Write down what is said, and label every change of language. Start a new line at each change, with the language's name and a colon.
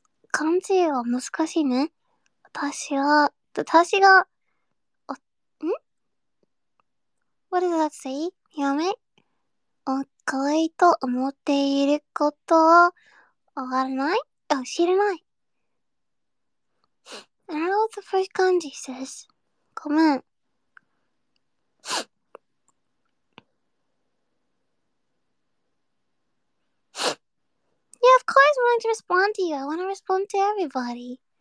Japanese: 漢字は難しいね。私が、
English: What does that say?
Japanese: 嫁? 可愛いと思っていることを、わからない? 知らない。
English: I don't know what the first kanji says.
Japanese: ごめん。
English: To respond to you, I want to respond to everybody.